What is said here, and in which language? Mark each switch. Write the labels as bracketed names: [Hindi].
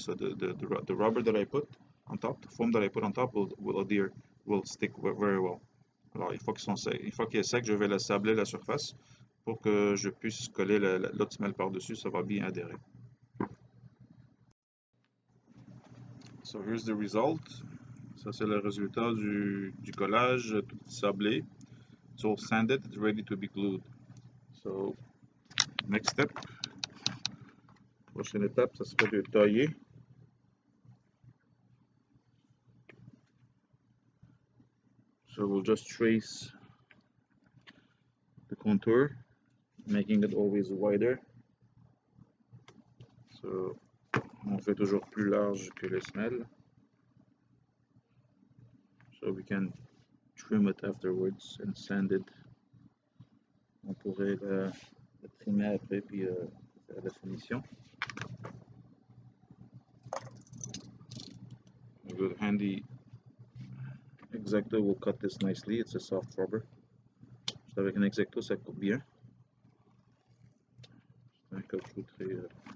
[English] So the rubber that I put on top, the foam that I put on top will adhere, will stick very well. [French] Alors, une fois qu'il est sec, je vais la sabler la surface pour que je puisse coller l'autre semelle par-dessus, ça va bien adhérer. [English] So here's the result. [French] Ça, c'est le résultat du collage, tout sablé. [English] It's all sanded, it's ready to be glued. So, next step. [French] Prochaine étape, ça sera de tailler. [English] So we'll just trace the contour, making it always wider. [French] So on fait toujours plus large que les semelles. [English] So we can trim it afterwards and sand it. [French] On pourrait le trimmer après puis faire la finition. [English] A good handy X-Acto will cut this nicely. It's a soft rubber. [French] Juste avec un X-Acto, ça coupe bien. C'est un caoutchouc très,